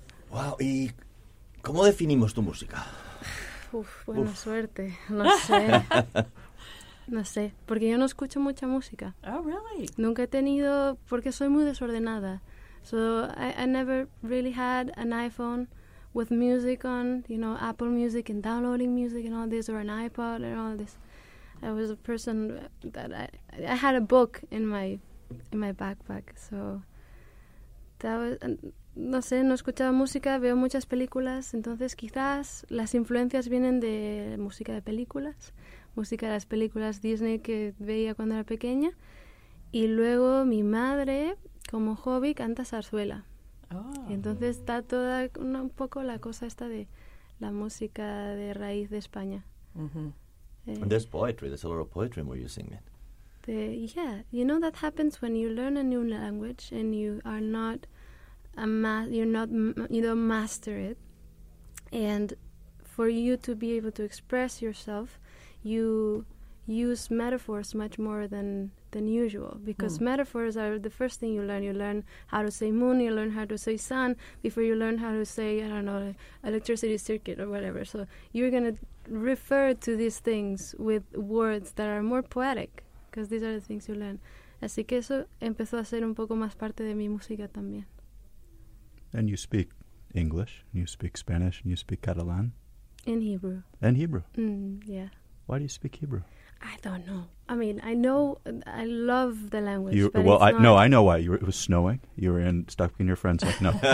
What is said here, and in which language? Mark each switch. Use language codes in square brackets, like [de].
[es] Wow, ¿y cómo definimos tu música? Uf, buena suerte, no sé. No sé, porque yo no escucho mucha música. [en] Oh, really? [es] Nunca he tenido, porque soy muy desordenada. [en] So, I never really had an iPhone with music on, you know, Apple Music and downloading music and all this, or an iPod and all this. I was a person that I had a book in my backpack, so that was, [es] no sé, no escuchaba música, veo muchas películas, entonces quizás las influencias vienen de música de películas, música de las películas Disney que veía cuando era pequeña, y luego mi madre como hobby canta zarzuela. Oh. Y entonces está toda un poco la cosa esta de la música de raíz de España. Mm-hmm. [en] And there's a lot of poetry where you sing it. Yeah, you know that happens when you learn a new language and you are not you don't master it, and for you to be able to express yourself, you use metaphors much more than usual, because metaphors are the first thing you learn. You learn how to say moon, you learn how to say sun before you learn how to say, I don't know, electricity circuit or whatever. So you're gonna refer to these things with words that are more poetic. Because these are the things you learn. [es] Así que eso empezó a ser un poco más parte de mi música también. [en] And you speak English, and you speak Spanish, and you speak Catalan. In Hebrew. And Hebrew. Mm, yeah. Why do you speak Hebrew? I don't know. I mean, I know, I love the language. I know why. It was snowing. You were stuck in your friend's house. No.